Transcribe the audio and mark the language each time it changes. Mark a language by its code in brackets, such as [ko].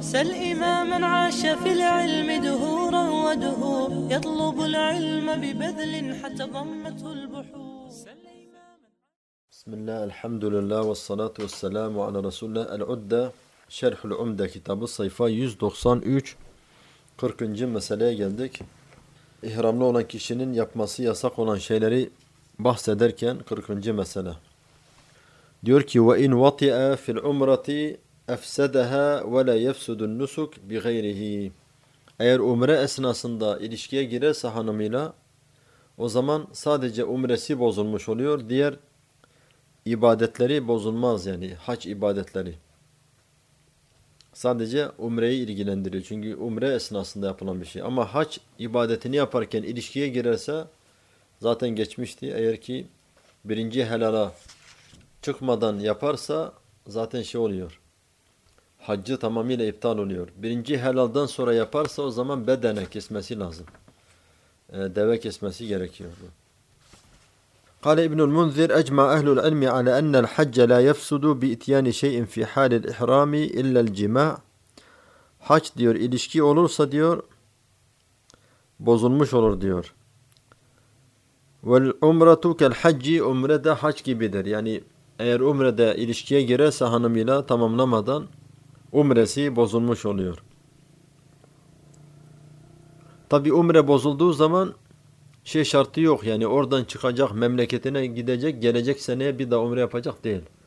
[ar] سل إماما عاش في العلم دهورا ودهور يطلب العلم ببذل حتى ضمته البحور. بسم الله الحمد لله والصلاة والسلام على رسول الله العدة شرح العمدة كتاب الصيفة 193 40. [tr] meseleye geldik. İhramlı olan kişinin yapması yasak olan şeyleri bahsederken 40. mesele. Diyor ki [ar] وَاِنْ وَطِعَ فِي الْعُمْرَةِ اَفْسَدَهَا وَلَا يَفْسُدُ النُّسُكْ بِغَيْرِهِ. [tr] Eğer umre esnasında ilişkiye girerse hanımıyla, o zaman sadece umresi bozulmuş oluyor, diğer İbadetleri bozulmaz, yani hac ibadetleri. Sadece umreyi ilgilendiriyor. Çünkü umre esnasında yapılan bir şey. Ama hac ibadetini yaparken ilişkiye girerse zaten geçmişti. Eğer ki birinci helala çıkmadan yaparsa zaten şey oluyor. Haccı tamamıyla iptal oluyor. Birinci helaldan sonra yaparsa o zaman bedene kesmesi lazım. Deve kesmesi gerekiyor. [ar] قال ابن المنذر أجمع أهل العلم على أن الحج لا يفسد بإتيان شيء في حال الإحرام إلا الجماع. [tr] حج diyor ilişki olursa diyor bozulmuş olur diyor. [ar] والعمرة كالحج [tr] عمرة حج gibidir. Yani eğer umrede ilişkiye girerse hanımıyla tamamlamadan umresi bozulmuş oluyor. Tabi umre bozulduğu zaman şey şartı yok, yani oradan çıkacak, memleketine gidecek, gelecek seneye bir daha umre yapacak değil.